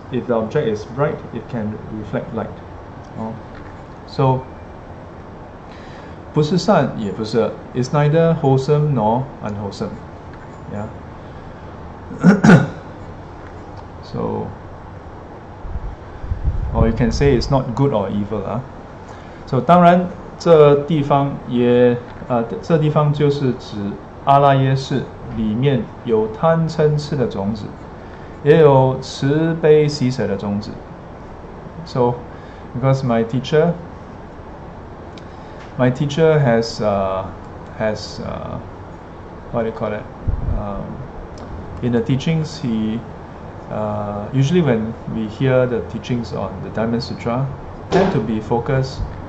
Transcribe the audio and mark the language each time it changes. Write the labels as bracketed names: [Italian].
[English] If the object is bright, it can reflect light. So, [Chinese] 不是善也不是恶, [English] it's neither wholesome nor unwholesome. Yeah. So, or you can say it's not good or evil. [Chinese] So, 当然这地方也这地方就是指阿拉耶识里面有贪嗔痴的种子，也有慈悲喜舍的种子。 [English] So, because my teacher in the teachings, usually when we hear the teachings on the Diamond Sutra, tend to be focused